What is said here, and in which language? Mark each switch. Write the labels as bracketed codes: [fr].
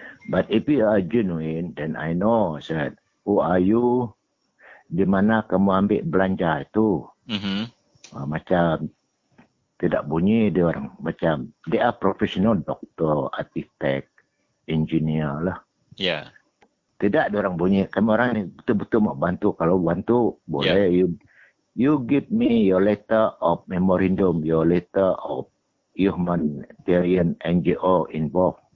[en] But if you are genuine, then I know, said, who are you? [ms] Di mana kamu ambil belanja itu? Macam tidak bunyi dia orang. Macam, [en] they are professional doctor, architect, engineer [ms] lah. Ya. Yeah. Tidak ada orang bunyi. Kamu orang ni betul-betul mau bantu. Kalau bantu, boleh. Yeah. [en] You give me your letter of memorandum, your letter of humanitarian NGO involved.